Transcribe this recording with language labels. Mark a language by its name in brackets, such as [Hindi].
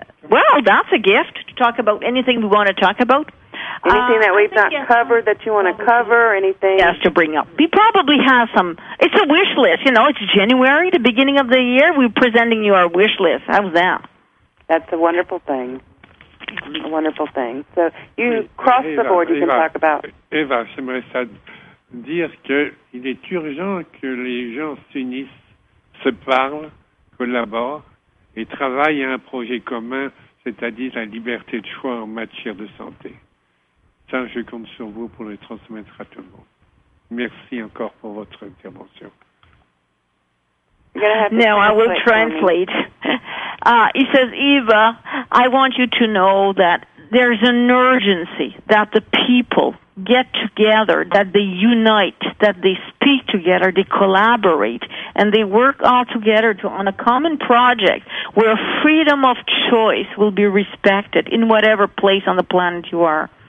[English] Well, that's a gift, to talk about anything we want to talk about. Anything that we've not covered that you want to cover, anything? Yes, to bring up. We probably have some. It's a wish list. You know, it's January, the beginning of the year. We're presenting you our wish list. How's that? That's a wonderful thing. A wonderful thing. So you cross Eva, the board, you Eva, can talk about. [French] Eva, j'aimerais ça dire qu'il est urgent que les gens s'unissent, se parlent, collaborent et travaillent à un projet commun, c'est-à-dire la liberté de choix en matière de santé. Ça, je compte sur vous pour le transmettre à tout le monde. Merci encore pour votre intervention. [English] Now I will translate. He says, Eva, I want you to know that there's an urgency that the people get together, that they unite, that they speak together, they collaborate, and they work all together to, on a common project where freedom of choice will be respected in whatever place on the planet you are.